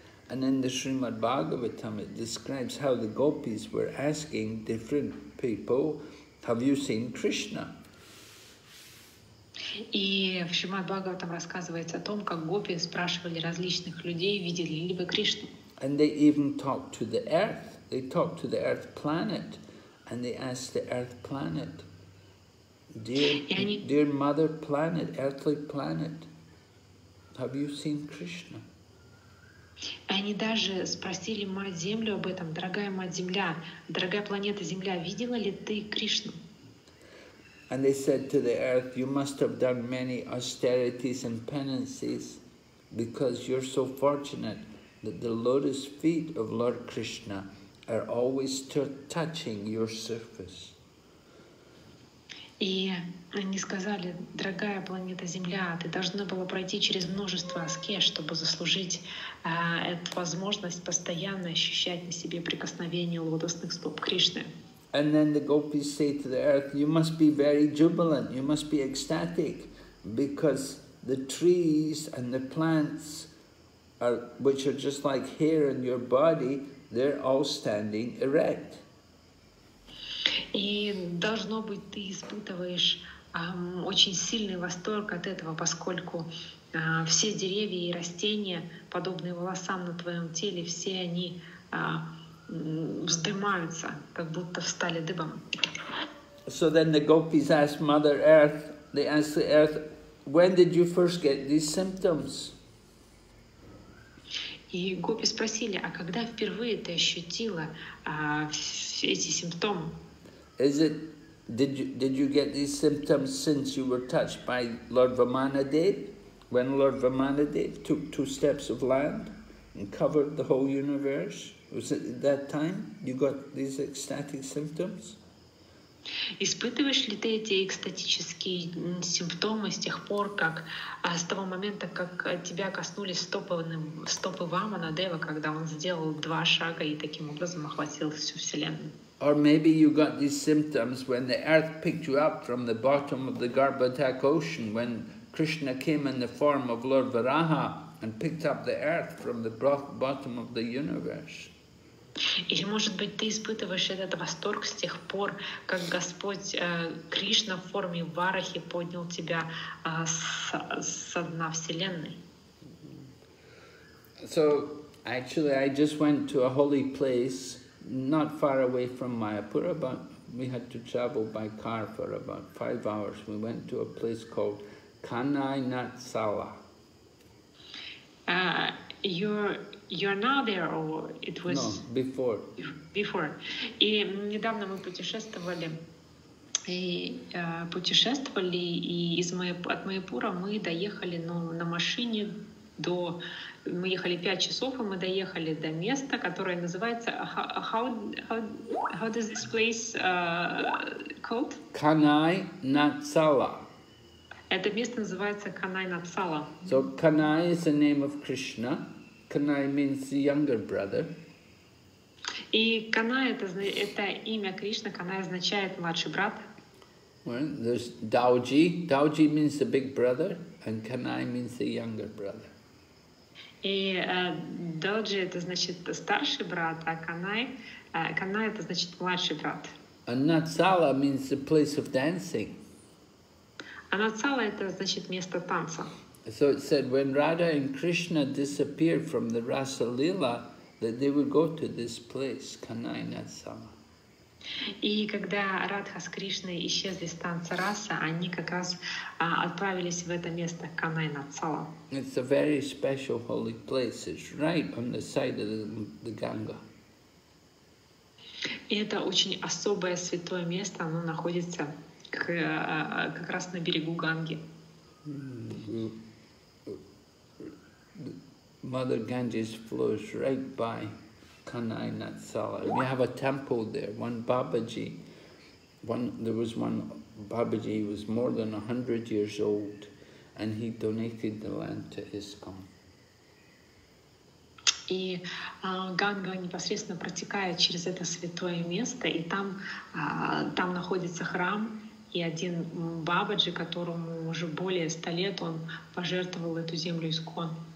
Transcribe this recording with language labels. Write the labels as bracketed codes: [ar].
[en] And in the Srimad Bhagavatam it describes how the gopis were asking different people, have you seen Krishna? [ru] И в Шримад Бхагаватам рассказывается о том, как гопи спрашивали различных людей, видели ли вы Кришну. [en] And they even talked to the earth, they talked to the earth planet, and they asked the earth planet, Dear mother planet, earthly planet, have you seen Krishna? [ru] Они даже спросили мать землю об этом, дорогая мать земля, дорогая планета земля, видела ли ты Кришну? [en] And they said to the earth, you must have done many austerities and penances, because you're so fortunate that the lotus feet of Lord Krishna are always touching your surface. [ru] И они сказали, дорогая планета Земля, ты должна была пройти через множество аскез, чтобы заслужить эту возможность постоянно ощущать на себе прикосновение лотосных стоп Кришны. [en] And then the gopis say to the earth, you must be very jubilant, you must be ecstatic, because the trees and the plants, are, which are just like hair in your body, they're all standing erect. [ru] И должно быть, ты испытываешь очень сильный восторг от этого, поскольку все деревья и растения, подобные волосам на твоем теле, все они вздымаются, как будто встали дыбом. [en] So then the gopis ask Mother Earth, they ask the Earth, when did you first get these symptoms? [ru] И гопи спросили, а когда впервые ты ощутила эти симптомы? [en] Is it, did you get these symptoms since you were touched by Lord Vamanadev, when Lord Vamanadev took two steps of land and covered the whole universe? Was it at that time you got these ecstatic symptoms? [ru] Испытываешь ли ты эти экстатические симптомы с тех пор, как с того момента, как тебя коснулись стопы Ваманадева, когда он сделал два шага и таким образом охватил всю вселенную? [en] Or maybe you got these symptoms when the earth picked you up from the bottom of the Garbhodak ocean, when Krishna came in the form of Lord Varaha and picked up the earth from the bottom of the universe. [ru] Или, может быть, ты испытываешь этот восторг с тех пор, как Господь Кришна в форме Варахи поднял тебя со дна Вселенной. [en] So, actually, I just went to a holy place not far away from Mayapura, but we had to travel by car for about 5 hours. We went to a place called Kanai Natsala. You're now there, or it was... No, before. Before. [ru] И недавно мы путешествовали, и от Майапура мы доехали на машине до... Мы ехали 5 часов, и мы доехали до места, которое называется... [en] How does this place called? Kanai Natsala. [ru] Это место называется Kanai Natsala. [en] So Kanai is the name of Krishna. Kanai means the younger brother. [ru] И Kanai это имя Кришны. Kanai означает младший брат. [en] Well, there's Dauji. Dauji means the big brother, and Kanai means the younger brother. [ru] И Dauji это значит старший брат, а Kanai это значит младший брат. [en] And Natsala means the place of dancing. [ru] А Natsala это значит место танца. [en] So it said when Radha and Krishna disappeared from the Rasa Lila, that they would go to this place, Kanai Natsala. [ru] И когда Радха с Кришной исчезли с танца Раса, они как раз отправились в это место, Kanai Natsala. [en] It's a very special holy place. It's right on the side of the Ganga. [ru] И это очень особое святое место. Оно находится как раз на берегу Ганги. [en] Mother Ganges flows right by Kanai Natsala. We have a temple there, one Babaji. There was one Babaji, he was more than 100 years old, and he donated the land to ISKCON. [ru] И Ганга непосредственно протекает через это святое место, и там находится храм, и один Бабаджи, которому уже более 100 лет, он пожертвовал эту землю ISKCON.